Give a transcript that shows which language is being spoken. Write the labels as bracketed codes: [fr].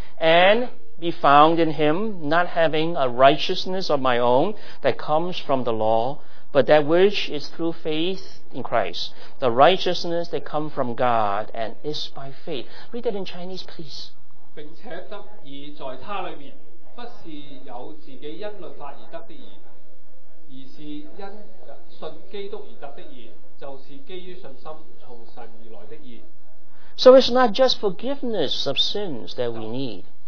[en] And be found in him, not having a righteousness of my own that comes from the law, but that which is through faith in Christ, the righteousness that comes from God and is by faith. Read that in Chinese, please. [zh] 并且得以在他里面，不是有自己因律法而得的义，而是因信基督而得的义，就是基于信心从神而来的义。 [en] So it's not just forgiveness of sins that we need.